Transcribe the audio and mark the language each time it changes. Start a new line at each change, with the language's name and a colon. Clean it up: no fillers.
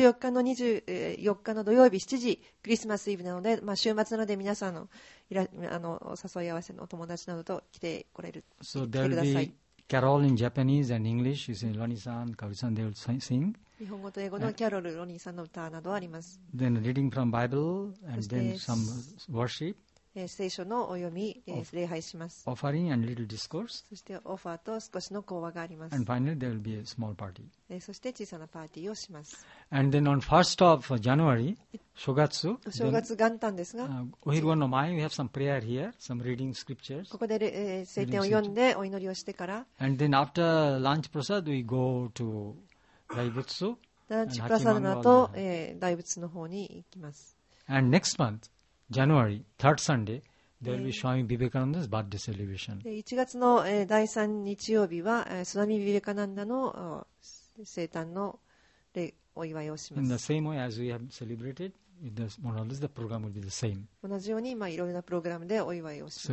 Japanese: 24日の土曜日7時、クリスマスイブなので、まあ、週末なので皆さんの、お誘い合わせのお友達などと来てこれる。
English: So there will be carol in Japanese and English. You see, Loni-san, Kaori-san, they will sing.
Japanese: 日本語と英語のキャロル、ロニーさんの歌などあります。
English: Then reading from Bible and then some worship.
Japanese: 聖書のお読み、礼拝します。
English: offering and little discourse.
Japanese: そしてオファーと少しの講話があります。
English: and finally, there will be a small party.
Japanese: そして小さなパーティーをします。
English: and then on 1st of January, 正月、
Japanese: 正月元旦ですが、お昼間の前、
English: we have some prayer here, some reading scriptures.
Japanese: ここで、聖典を読んでお祈りをしてから、
English: and then after lunch prasad, we go to 大仏。
Japanese: ランチプラサダの後、大仏の方に行きます。
English: and next monthJanuary, third Sunday, there will be Swami Vivekananda's birthday celebration.
Japanese: 1月の第3日曜日は、スワミ・ビベカナンダの生誕のお祝いをします。
English: In the same way as we have celebrated, with the monologues, the program will be the same.
Japanese: 同じように、まあ、いろいろなプログラムでお祝いをします。